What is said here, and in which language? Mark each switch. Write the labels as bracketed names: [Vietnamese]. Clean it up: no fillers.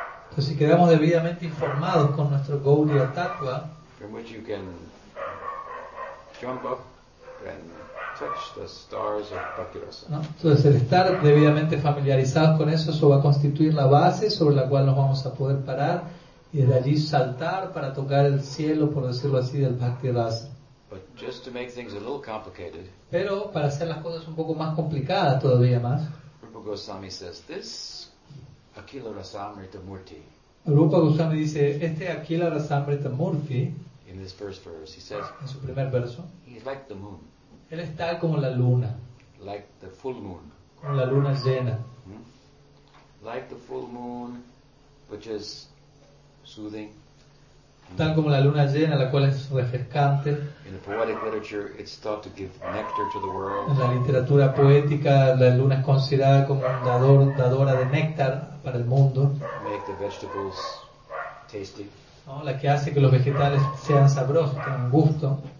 [Spanish] Entonces, si quedamos debidamente informados con nuestro Gaudiya tattva, [English] from which you can jump up and touch the stars of Bhakti-rasa. [Spanish] No, entonces el estar debidamente familiarizados con eso, eso va a constituir la base sobre la cual nos vamos a poder parar y desde allí saltar para tocar el cielo, por decirlo así, del Bhakti-rasa. [English] But just to make things a little complicated, [Spanish] pero para hacer las cosas un poco más complicadas todavía más, [English] Rupa Goswami says, this Akhila Rasamrita Murti. [Spanish] Rupa Goswami dice, este Akhila Rasamrita Murti, [English] in this first verse, he says, [Spanish] en su primer verso, [English] he's like the moon. [Spanish] Él está como la luna. [English] Like the full moon. [Spanish] Como la luna llena. [English] Like the full moon, which is soothing. [Spanish] tan como la luna llena, la cual es refrescante. [English] In the poetic literature, it's thought to give nectar to the world. [Spanish] En la literatura poética, la luna es considerada como dadora de néctar para el mundo. [English] Make the vegetables tasty. [Spanish] ¿No? La que hace que los vegetales sean sabrosos, tengan gusto.